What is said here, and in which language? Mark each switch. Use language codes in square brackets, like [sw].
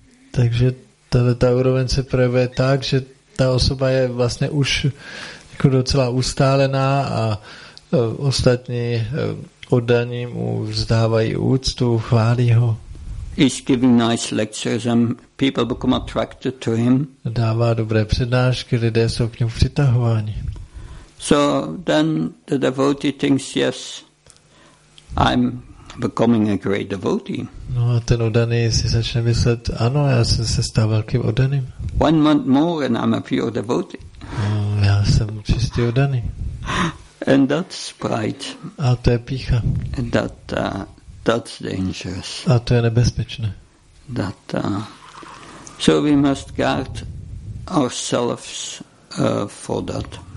[cs] Takže ta úroveň se projevuje tak, že ta osoba je vlastně už jako docela ustálená a ostatní oddaní mu vzdávají úctu, chválí ho. [en] He's giving nice lectures and people become attracted to him. [cs] Dává dobré přednášky, lidé jsou k němu přitahováni. [en] So then the devotee thinks, yes, I'm becoming a great devotee. [cs] No a ten oddaný si začne myslet, ano, já jsem se stal velkým oddaným. [en] 1 month more and I'm a pure devotee. [cs] No, já jsem čistý oddaný. [en] And that's pride. [cs] A to je pícha. [en] And that, that's dangerous. [cs] A to je nebezpečné. [en] That, so we must guard ourselves for that.